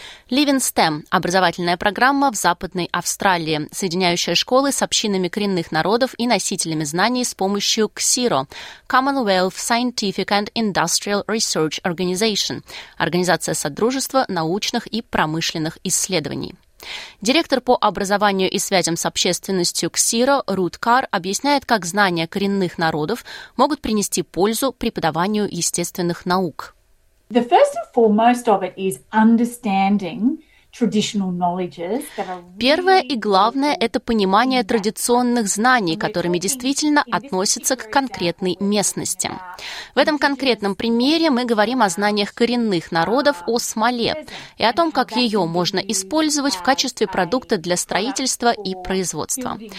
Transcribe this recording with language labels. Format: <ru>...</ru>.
<ru>Living STEM – образовательная программа в Западной Австралии, соединяющая школы с общинами коренных народов и носителями знаний с помощью CSIRO – Commonwealth Scientific and Industrial Research Organization – Организация Содружества научных и промышленных исследований. Директор по образованию и связям с общественностью CSIRO Рут Карр объясняет, как знания коренных народов могут принести пользу преподаванию естественных наук.</ru> <en>The first and foremost of it is understanding traditional knowledges.</en> <ru>Первое и главное – это понимание традиционных знаний, которыми действительно относятся к конкретной местности. В этом конкретном примере мы говорим о знаниях коренных народов о смоле и о том, как ее можно использовать в качестве продукта для строительства и производства.</ru>